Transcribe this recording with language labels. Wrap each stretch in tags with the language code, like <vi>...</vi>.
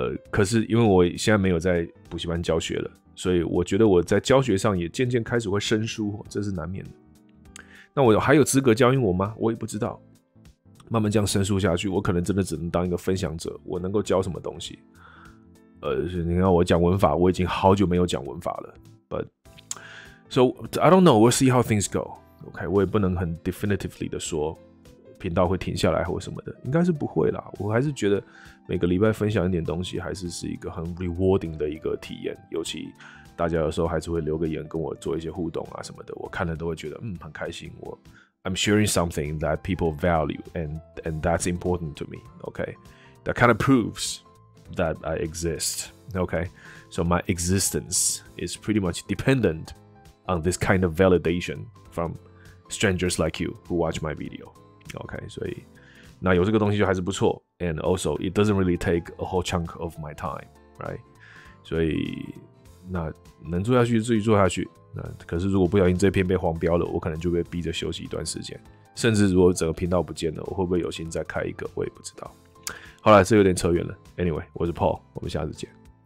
<zh>可是因为我现在没有在补习班教学了，所以我觉得我在教学上也渐渐开始会生疏，这是难免的。那我还有资格教英文吗？我也不知道。慢慢这样生疏下去，我可能真的只能当一个分享者，我能够教什么东西？你看我讲文法，我已经好久没有讲文法了。</zh> <en>But so I don't know, we'll see how things go.</en> <zh>OK, 我也不能很 definitively 的说频道会停下来或什么的，应该是不会啦。我还是觉得每个礼拜分享一点东西还是一个很 rewarding 的一个体验，尤其大家有时候还是会留个言跟我做一些互动啊什么的，我看了都会觉得很开心。</zh> <en>我 I'm sharing something that people value and that's important to me, okay? That kind of proves that I exist, okay? So my existence is pretty much dependent on this kind of validation from strangers like you who watch my videoOK,</en> <zh>所以那有这个东西就还是不错。</zh> <en>And also, it doesn't really take a whole chunk of my time, right?</en> <zh>所以那能做下去自己做下去。那可是如果不小心这篇被黄标了，我可能就被逼着休息一段时间。甚至如果整个频道不见了，我会不会有心再开一个，我也不知道。好啦，这有点扯远了。Anyway, 我是 Paul, 我们下次见。</zh>